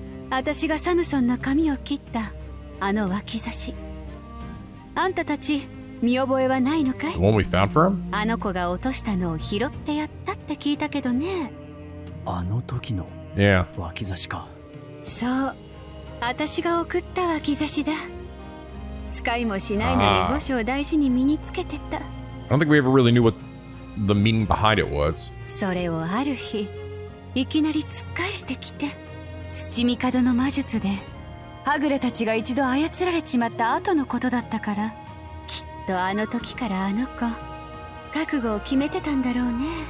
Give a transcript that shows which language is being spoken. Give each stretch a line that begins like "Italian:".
Japanese: 私がサムソンの髪を切ったあの脇差し、あんたたち見覚えはないのかい？
English: The one we found for him?
Japanese: あの子が落としたのを拾ってやったって聞いたけどね。あの時の脇差しか。そう、私が送った脇差しだ。使いもしないのに御所を大事に身につけてた。
English: I don't think we ever really knew whatthe meaning behind it was.
Japanese: それをある日いきなり突っ返してきて、土帝の魔術でハグレたちが一度操られちまった後のことだったから、きっとあの時からあの子覚悟を決めてたんだろうね。